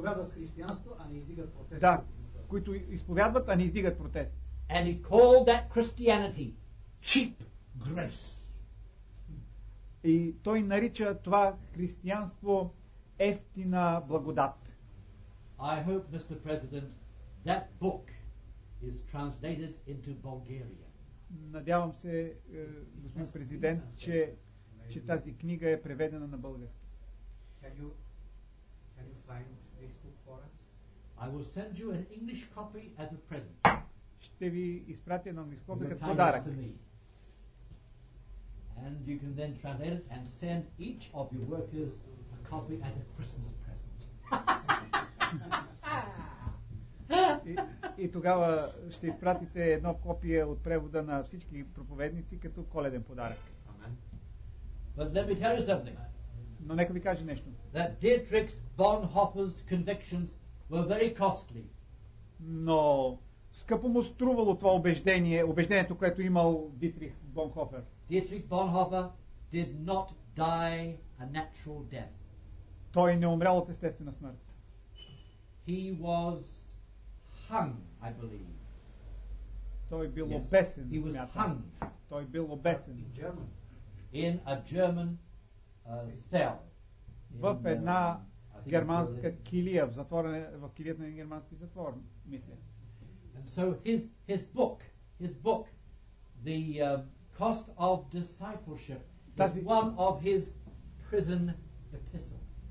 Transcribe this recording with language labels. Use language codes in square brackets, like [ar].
[bg] Които изповядват християнство, а не издигат протест. Да, които изповядват, а не издигат протест. [en] And he called that Christianity cheap grace. [bg] И той нарича това християнство ефтина благодат. [en] I hope, Mr. President, that book is translated into Bulgarian. [bg] Надявам се, господин президент, че, че тази книга е преведена на български. [en] Can you find this book for us? I will send you an English copy as a present. [bg] Ще ви изпратя на английски копия като подарък. [en] And you can then translate it and send each of your workers a copy as a Christmas present. [bg] И тогава ще изпратите едно копие от превода на всички проповедници като коледен подарък. [en] But let me tell you something. [bg] Но нека ви кажа нещо. [en] That Dietrich Bonhoeffer's convictions were very costly. [bg] Но скъпо му струвало това убеждение, убеждението, което имал Дитрих Бонхофер. [en] Dietrich Bonhoeffer did not die a natural death. [bg] Той не умрял от естествена смърт. [en] He was hung, I believe. [bg] Той бил обесен. [en] He was hung. [bg] Той бил обесен. [en] In German. In a German cell. [bg] В една германска килия, в затвора, в килията на германски затвор, мисля. [en] And so his book, The Cost of Discipleship, is one of his prison epistles.